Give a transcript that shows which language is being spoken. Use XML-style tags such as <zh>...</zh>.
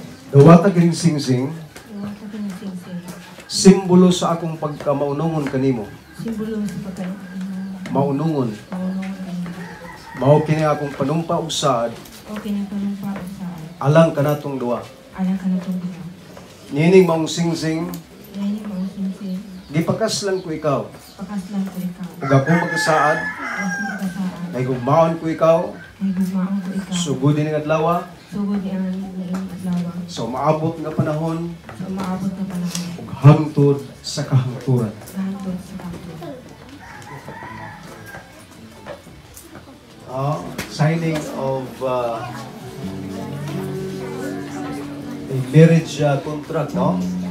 <ceb>Dawata kining sing-sing. Dawata kining sing-sing. Simbolo sa akong pagkamaunungon kanimo. Simbolo sa pagkamaunungon. Maunungon. Mao kini akong panumpa ug saad. Mao kini panumpa ug saad. Alang kanatong duwa. Alang kanatong duwa. Nining maong sing-sing. Nining maong sing-sing. Dipakas lang ko ikaw. Pakas lang ko ikaw. Ug ako magkasaad. Naigugmaon ko ikaw. Naigugmaon ko ikaw. Sugodin ang adlawa. Sugodin ang adlawa. So maabot nga panahon. So maabot nga panahon. Ug hangtod sa kahangturan. Hangtod sa kahangturan.</ceb> <en>Signing of a marriage contract, no?</en>